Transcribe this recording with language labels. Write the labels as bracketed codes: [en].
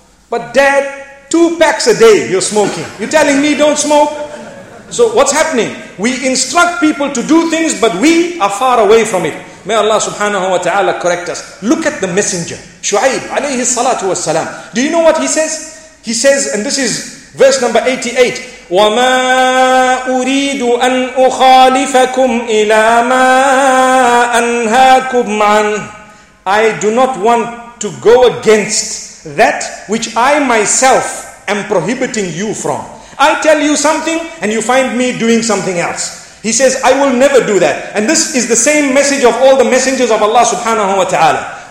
[en] But dad, 2 packs a day you're smoking. You're telling me don't smoke? So what's happening? We instruct people to do things, but we are far away from it. May Allah subhanahu wa ta'ala correct us. Look at the messenger, Shu'aib alayhi salatu wasalam. Do you know what he says? He says, and this is verse number 88. [ar] وَمَا أُرِيدُ أَنْ أُخَالِفَكُمْ إِلَى مَا أَنْهَاكُمْ عَنْهُ. [en] I do not want to go against that which I myself am prohibiting you from. I tell you something and you find me doing something else. He says, I will never do that. And this is the same message of all the messengers of Allah subhanahu wa ta'ala.